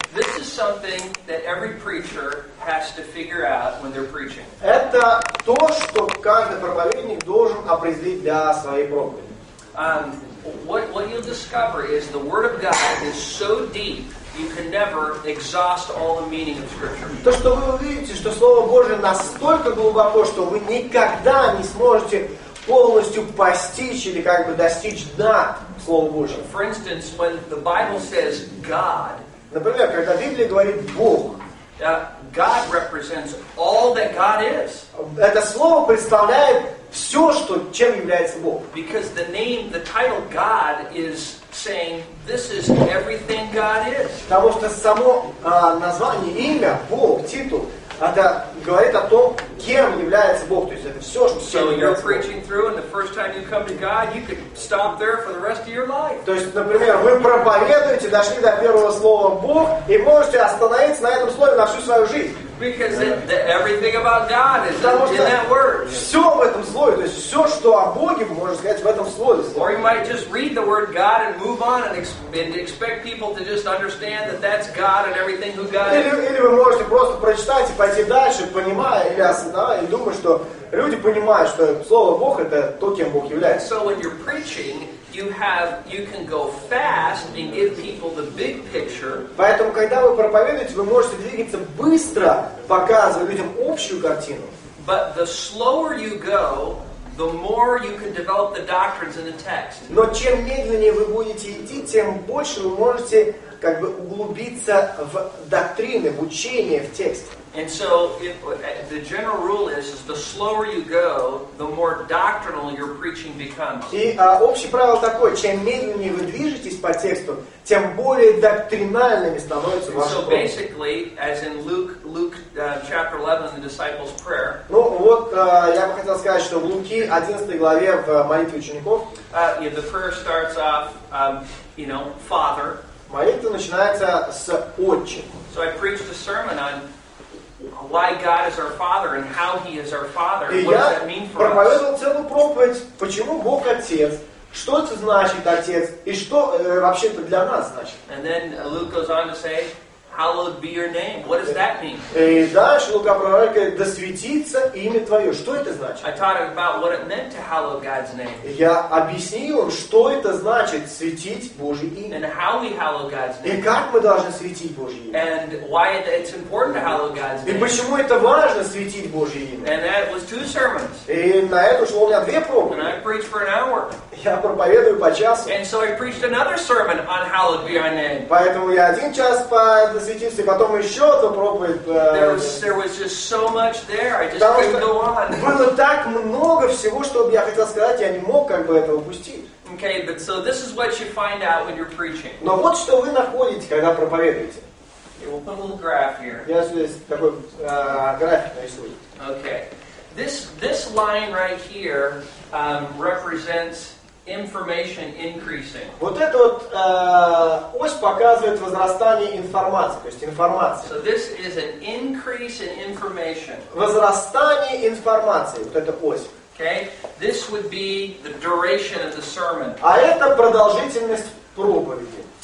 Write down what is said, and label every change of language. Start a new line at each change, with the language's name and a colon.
English: This is something that every preacher has to figure out when they're preaching.
Russian: Это то, что каждый проповедник должен определить для своей проповеди.
English: What you'll discover is the Word of God is so deep you can never exhaust all the meaning of Scripture.
Russian: То, что вы увидите, что Слово Божие настолько глубоко, что вы никогда не сможете полностью постичь или как бы достичь дна Слова Божьего.
English: For instance, when the Bible says God,
Russian: например, когда Библия говорит Бог,
English: God represents all that God is.
Russian: Это слово представляет все, что чем является Бог.
English: Because the name, the title God is saying this is everything God is.
Russian: Потому что само название, имя Бог, титул, это говорит о том, кем является Бог. То есть это все, что
English: so you're preaching through, and the first time you come to God, you could stop there for the rest of your life.
Russian: То есть, например, вы проповедуете, дошли до первого слова Бог, и можете остановиться на этом слове на всю свою жизнь.
English: Because everything about God is in that word.
Russian: Все в этом слове, то есть все, что о Боге, вы можете сказать в этом слове.
English: Or you might just read the word God and move on and expect people to just understand that that's God and everything who God is.
Russian: Или вы можете просто прочитать и пойти дальше, понимая или осознавая, и думая, что люди понимают, что слово Бог это то, кем Бог является.
English: So when you're preaching, you can go fast and give people the big picture.
Russian: Поэтому когда вы проповедуете, вы можете двигаться быстро, показывая людям общую картину.
English: But the slower you go, the more you can develop the doctrines in the text.
Russian: Но чем медленнее вы будете идти, тем больше вы можете как бы углубиться в доктрины, в учение, в текст.
English: And so the general rule is the slower you go, the more doctrinal your preaching becomes.
Russian: И общее правило такое: чем медленнее вы движетесь по тексту, тем более доктринальными становятся ваши проповеди.
English: So basically, as in Luke chapter 11, the disciples' prayer.
Russian: Ну вот я бы хотел сказать, что в Луки 11 главе в молитве учеников.
English: The prayer starts off, Father.
Russian: Молитва начинается с Отче.
English: So I preached a sermon on why God is our Father and how He is our Father. What does that mean for us?
Russian: Я проповедовал целую проповедь, почему Бог Отец, что это значит Отец, и что вообще-то для нас значит.
English: And then Luke goes on to say, hallowed be your name. What does that mean?
Russian: И дальше Лука пророк говорит, да светится имя Твое. Что это значит?
English: I taught about what it meant to hallow God's name.
Russian: Я объяснил им, что это значит светить Божье имя.
English: And how we hallow God's name.
Russian: И как мы должны светить Божье имя.
English: And why it's important to hallow God's name.
Russian: И почему это важно светить Божье имя.
English: And that was two sermons.
Russian: И на это шло у меня две проповеди.
English: And I preached for an hour.
Russian: Я проповедую по часу.
English: And so I preached another sermon on hallowed be your name.
Russian: Поэтому я один час по засветился, потом еще одну проповедь.
English: There was just so much there, I just couldn't go on.
Russian: Было так много всего, что я хотел сказать, я не мог как бы этого упустить.
English: Okay, but so this is what you find out when you're preaching.
Russian: Но вот что вы находите, когда проповедуете.
English: Okay, we'll put a little graph here.
Russian: Я здесь такой график нарисую.
English: Okay. This line right here represents information increasing.
Russian: Вот эта вот ось показывает возрастание информации, то есть информации.
English: So this is an increase in information.
Russian: Возрастание информации, вот эта ось.
English: Okay? This would be the duration of the sermon.
Russian: А это продолжительность проповеди.